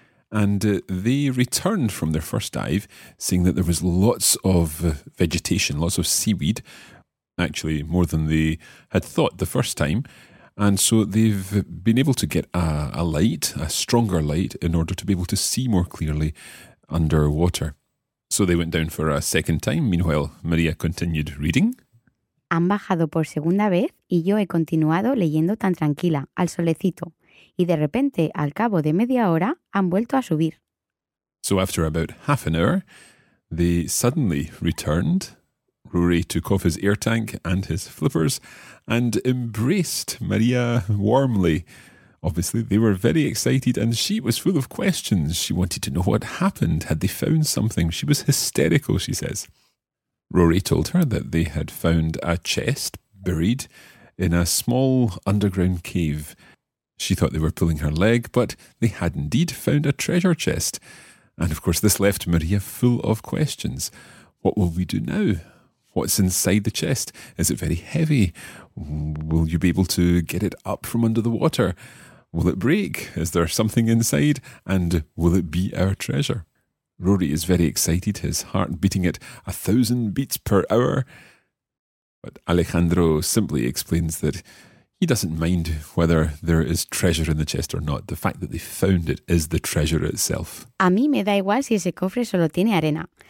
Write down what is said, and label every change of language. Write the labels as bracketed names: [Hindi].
[English] And they returned from their first dive, seeing that there was lots of vegetation, lots of seaweed, actually more than they had thought the first time. And so they've been able to get a light, a stronger light, in order to be able to see more clearly underwater. So they went down for a second time. Meanwhile, Maria continued reading. [Spanish] Han bajado por segunda vez y yo he continuado leyendo tan tranquila, al solecito. Y de repente, al cabo de media hora, han vuelto a subir. [English] So after about half an hour, they suddenly returned. Rory took off his air tank and his flippers and embraced Maria warmly. Obviously, they were very excited and she was full of questions. She wanted to know what happened. Had they found something? She was hysterical, she says. Rory told her that they had found a chest buried in a small underground cave. She thought they were pulling her leg, but they had indeed found a treasure chest. And of course, this left Maria full of questions. What will we do now? What's inside the chest? Is it very heavy? Will you be able to get it up from under the water? Will it break? Is there something inside? And will it be our treasure? Rory is very excited, his heart beating at 1,000 beats per hour. But Alejandro simply explains that he doesn't mind whether there is treasure in the chest or not. The fact that they found it is the treasure itself. [Spanish] A mí me da igual si ese cofre solo tiene arena.